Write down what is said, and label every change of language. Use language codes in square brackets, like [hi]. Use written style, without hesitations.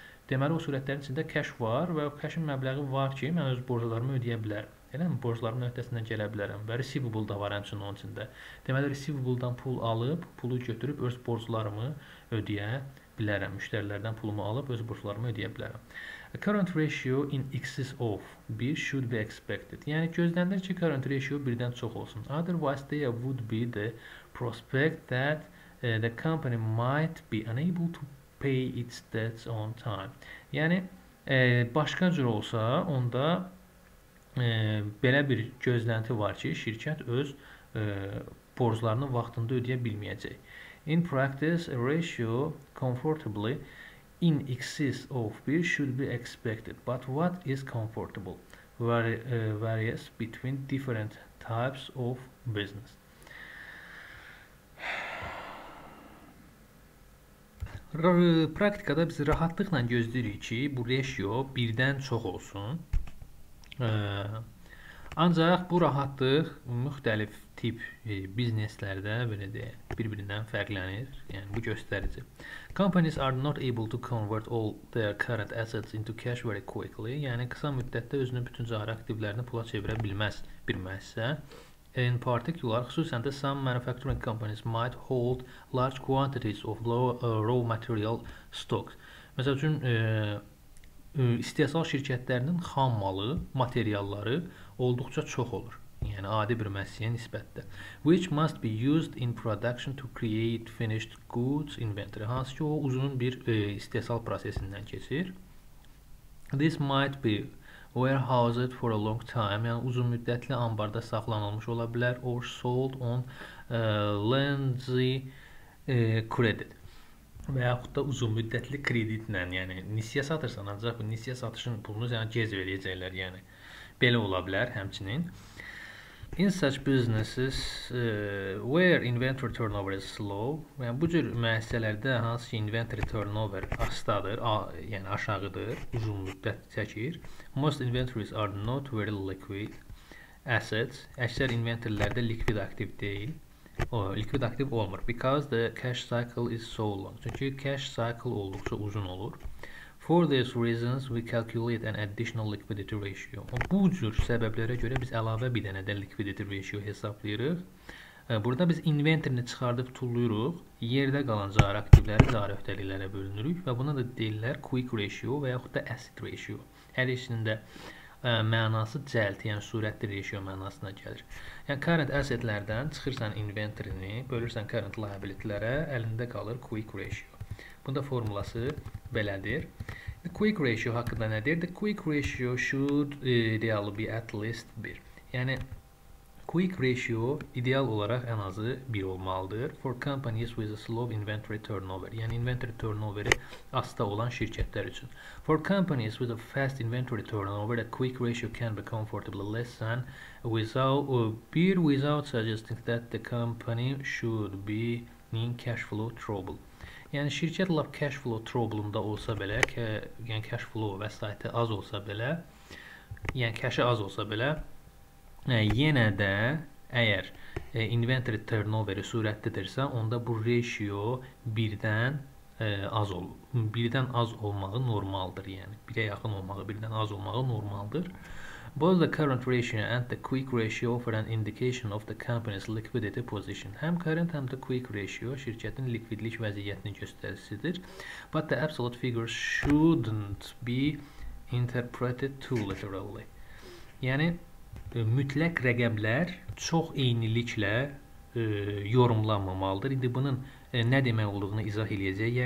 [az] Deməli, o surətlərin içində cash var və o cash-in məbləği var ki, mən öz borclarımı ödəyə bilərəm. Eləmi? Borcların öhdəsindən gələ bilərəm və receivable da var həmçinin onun içində. Deməli, receivable-dan pul alıb, pulu götürüb öz borclarımı ödəyə bilərəm. Müştərilərdən pulumu alıb öz borclarımı ödəyə bilərəm. [en] A current ratio in excess of 1 should be expected. [az] Yəni gözlənilir ki, current ratio 1-dən çox olsun. [en] Otherwise there would be the prospect that the company might be unable to pay its debts on time. [az] Yəni başqa cür olsa, onda belə bir gözlənti var ki, şirkət öz borclarını vaxtında ödəyə bilməyəcək. [en] In practice, a ratio comfortably in excess of 1 should be expected. But what is comfortable varies between different types of business. [az] Praktikada biz rahatlıqla gözləyirik ki, bu ratio 1-dən çox olsun. Ancaq bu rahatlıq müxtəlif tip bizneslərdə belə deyək, bir-birindən fərqlənir. Yəni bu göstərici. [en] Companies are not able to convert all their current assets into cash very quickly. [az] Yəni qısa müddətdə özünün bütün cari aktivlərini pula çevirə bilməz bir müəssisə. [en] In particular, [az] xüsusən də [en] some manufacturing companies might hold large quantities of raw material stocks. [az] Məsəl üçün istehsal şirkətlərinin xam malı, materialları olduqca çox olur. Yəni adi bir məhsulə nisbətdə. [en] Which must be used in production to create finished goods inventory. [az] Hansı ki, o uzun bir istehsal prosesindən keçir. [en] This might be warehoused for a long time. [az] Yəni uzun müddətli anbarda saxlanılmış ola bilər [en] or sold on lengthy credit. [az] Və yaxud da uzun müddətli kreditlə, yəni nisiyə satırsan, ancaq bu nisiyə satışın pulunu sənə gec verəcəklər, yəni belə ola bilər həmçinin. [en] In such businesses where inventory turnover is slow, [az] yəni bu cür müəssisələrdə hansı ki inventory turnover astadır, yəni aşağıdır, uzun müddət çəkir. [en] Most inventories are not very liquid assets. [az] Əksər inventorlərdə liquid aktiv deyil. O liquid aktiv olmur. [en] Because the cash cycle is so long. [az] Çünki cash cycle olduqca uzun olur. [en] For these reasons, we calculate an additional liquidity ratio. [az] Bu cür səbəblərə görə biz əlavə bir dənə də liquidity ratio hesablayırıq. Burada biz inventorini çıxardıb tulluyuruq. Yerdə qalan cari aktivləri cari öhdəliklərə bölünürük. Və buna da deyirlər quick ratio və yaxud da asset ratio. Hər ikisinin də mənası cəld, yəni sürətli ratio mənasına gəlir. Yəni current assetlərdən çıxırsan inventorini, bölürsən current liabilitylərə, əlində qalır quick ratio. Bunda formulası belədir. The quick ratio haqqında nədir? [en] The quick ratio should ideally be at least 1. [az] Yəni quick ratio ideal olaraq ən azı 1 olmalıdır. [en] For companies with a slow inventory turnover. [az] Yəni inventory turnoveri asta olan şirkətlər üçün. [en] For companies with a fast inventory turnover, the quick ratio can be comfortably less than without suggesting that the company should be in cash flow trouble. [az] Yəni şirkət lap cash flow trouble-unda olsa belə, yəni cash flow vəsaiti az olsa belə, yəni cash-ı az olsa belə, yenə də əgər inventory turnoveri sürətlidirsə, onda bu ratio 1-dən az olur. 1-dən az olmağı normaldır, yəni 1-ə yaxın olmağı, 1-dən az olmağı normaldır. [en] Both the current ratio and the quick ratio offer an indication of the company's liquidity position. [az] Həm current, həm the quick ratio şirkətin likvidlik vəziyyətini göstəricidir. [en] But the absolute figures shouldn't be interpreted too literally. [az] Yəni mütləq rəqəmlər çox eyniliklə yorumlanmamalıdır. İndi bunun nə demək olduğunu izah eləyəcək.